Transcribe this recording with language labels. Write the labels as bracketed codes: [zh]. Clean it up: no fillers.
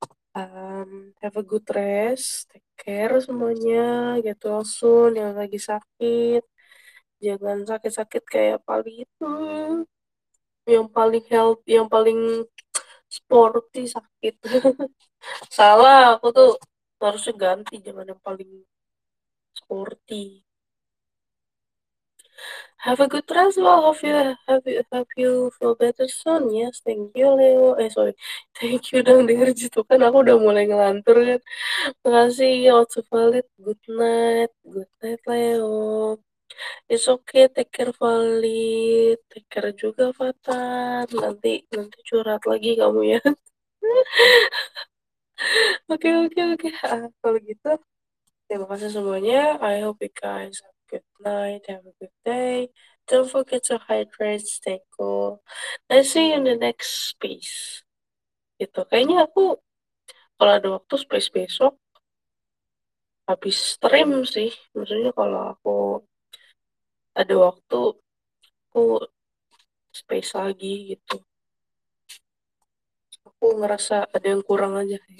[en] Have a good rest, take care [id] semuanya, [en] get well soon [id] yang lagi sakit, jangan sakit-sakit kayak paling itu, yang paling health, yang paling sporty sakit. Salah, aku tuh harusnya ganti, jangan yang paling sporty. [en] Have a good rest. Well, hope you feel better soon. Yes, thank you, Leo. Eh, sorry. Thank you [id] dong denger gitu kan. Aku udah mulai ngelantur kan. Makasih. [en] What's up, Valid? Good night. Good night, Leo. It's okay. Take care, Valid. Take care juga, Fatan. [id] Nanti curhat lagi kamu ya. [en] Okay. [id] Kalau gitu, terima kasih semuanya. [en] I hope you guys good night, have a good day. Don't forget to hydrate, stay cool. I see you in the next space. [id] Gitu. Kayaknya aku kalau ada waktu space besok habis stream sih. Maksudnya kalau aku ada waktu aku space lagi gitu. Aku ngerasa ada yang kurang aja.